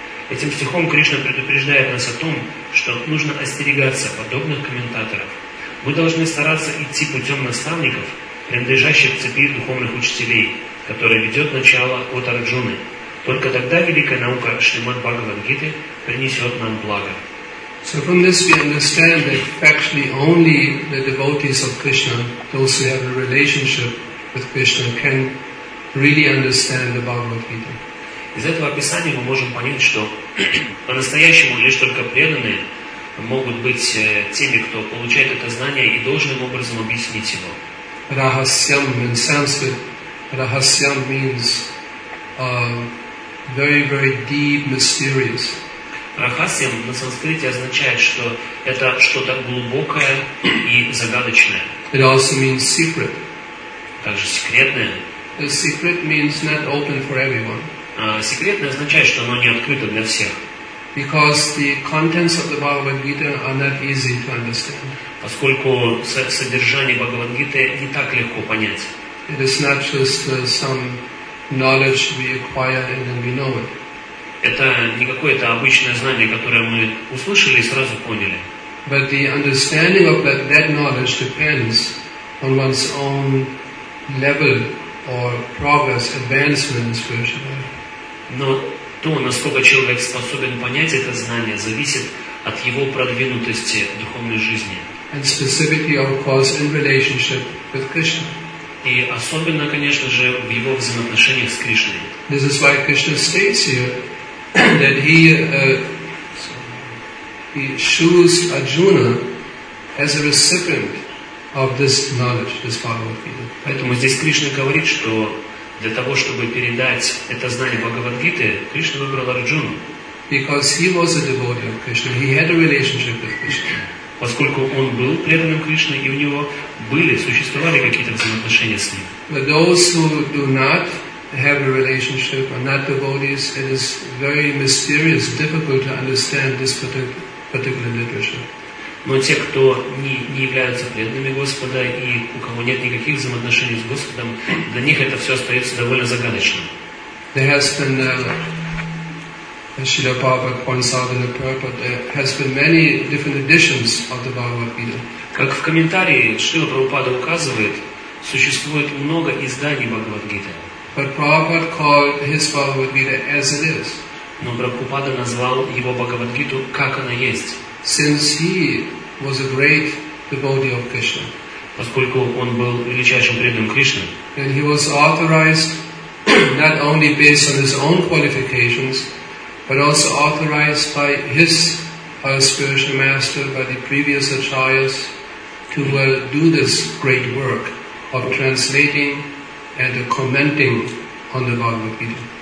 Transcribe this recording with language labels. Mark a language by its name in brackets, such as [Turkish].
[Russian] Этим стихом Кришна предупреждает нас о том, что нужно остерегаться подобных комментаторов. Мы должны стараться идти путем наставников, принадлежащих цепи духовных учителей, которая ведет начало от Арджуны. Только тогда великая наука Шримад Бхагавад-гиты принесет нам благо. [English] So from this we understand that actually only the devotees of Krishna, those who have a relationship with Krishna, can really understand the Bhagavad-gita. [Russian] Из этого описания мы можем понять, что по-настоящему лишь только преданные могут быть теми, кто получает это знание и должным образом объяснить его. [English] Rahasyam in Sanskrit. Rahasyam means very, very deep, mysterious. [Russian] Рахасьям на санскрите означает, что это что-то глубокое и загадочное. [English] It also means secret. [Russian] Также секретное. [English] The secret means not open for everyone. [Russian] Секретное означает, что оно не открыто для всех. [English] Because the contents of the Bhagavad-gita are not easy to understand. [Russian] Поскольку содержание Бхагавад-гиты не так легко понять. [English] It is not just some knowledge we acquire and then we know it. [Russian] Это не какое-то обычное знание, которое мы услышали и сразу поняли. [English] But the understanding of that knowledge depends on one's own level or progress, advancement in spiritual life. [Russian] Но то, насколько человек способен понять это знание, зависит от его продвинутости в духовной жизни. [English] And specifically, of course, in relationship with Krishna. [Russian] И особенно, конечно же, в его взаимоотношениях с Кришной. [English] This is why Krishna states here that he chose Arjuna as a recipient of this knowledge, this Bhagavad-gita. [Russian] Поэтому здесь Кришна говорит, что для того, чтобы передать это знание Бхагавад-гиты, Кришна выбрал Арджуну. [English] Because he was a devotee of Krishna, he had a relationship with Krishna. [Russian] Поскольку он был преданным Кришне, и у него были, существовали какие-то взаимоотношения с ним. [English] But those who do not have a relationship or not devotees, it is very mysterious, difficult to understand this particular literature. [Russian] Но те, кто не являются преданными Господа и у кого нет никаких взаимоотношений с Господом, для них это все остается довольно загадочным. [English] There has been, as Srila Prabhupada points out in the purport, there has been many different editions of the Bhagavad-gita. [Russian] Как в комментарии Шрила Прабхупада указывает, существует много изданий Бхагавад-гиты. [English] But Prabhupada called his Bhagavad-gita as it is. [Russian] Но Прабхупада назвал его Бхагавад-гиту, как она есть. [English] Since he was a great devotee of Krishna. [Russian] Поскольку он был величайшим преданным Кришне. [English] And he was authorized not only based on his own qualifications, but also authorized by his our spiritual master, by the previous acharyas, to do this great work of translating and commenting on the Bhagavad Gita.